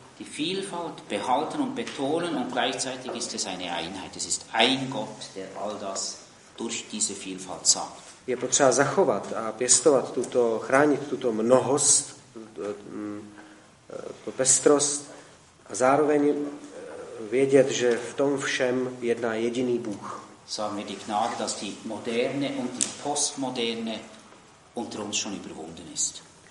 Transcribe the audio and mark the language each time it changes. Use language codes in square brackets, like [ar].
[de] Die Vielfalt behalten und betonen und gleichzeitig ist es eine Einheit. Es ist ein Gott, der all das durch diese Vielfalt sagt. [cs] Je potřeba zachovat a pěstovat tuto, chránit tuto mnohost, tuto pestrost a zároveň vědět, že v tom všem jedná jediný Bůh. [de] Sagen wir die Gnade, dass die Moderne und die Postmoderne unter uns schon überwunden ist.